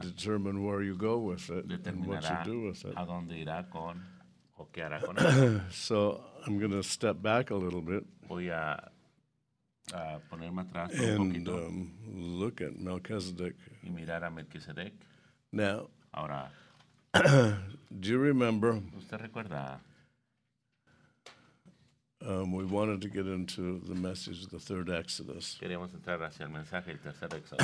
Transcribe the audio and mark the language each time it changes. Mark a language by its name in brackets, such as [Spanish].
[English] Determine where you go with it and what you do with it. [Spanish] A dónde irá con, o qué hará con él. [English] So I'm going to step back a little bit. [Spanish] Voy a ponerme atrás [English] and [Spanish] un poquito, [English] look at Melchizedek. [Spanish] Y mirar a Melchizedek. [English] Now, [Spanish] ahora, [English] do you remember? [Spanish] ¿Usted recuerda? [English] We wanted to get into the message of the third Exodus. [Spanish] Queríamos entrar hacia el mensaje del tercer Exodus.